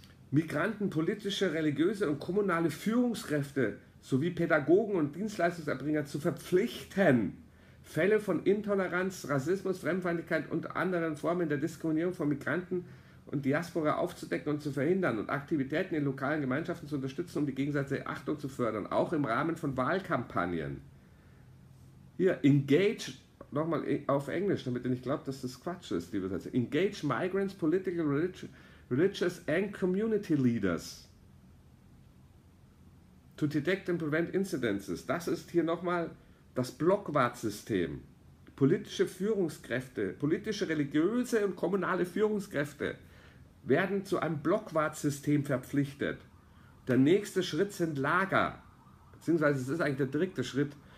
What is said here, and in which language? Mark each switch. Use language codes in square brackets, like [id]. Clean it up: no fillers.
[de] Migranten, politische, religiöse und kommunale Führungskräfte sowie Pädagogen und Dienstleistungserbringer zu verpflichten, Fälle von Intoleranz, Rassismus, Fremdenfeindlichkeit und anderen Formen der Diskriminierung von Migranten und Diaspora aufzudecken und zu verhindern und Aktivitäten in lokalen Gemeinschaften zu unterstützen, um die gegenseitige Achtung zu fördern, auch im Rahmen von Wahlkampagnen. Hier, engage, nochmal auf Englisch, damit ihr nicht glaubt, dass das Quatsch ist, liebe Leute. [en] Engage migrants, political, religious and community leaders to detect and prevent incidences. [de] Das ist hier nochmal das Blockwartsystem. Politische Führungskräfte, politische, religiöse und kommunale Führungskräfte werden zu einem Blockwartsystem verpflichtet. Der nächste Schritt sind Lager, beziehungsweise es ist eigentlich der dritte Schritt.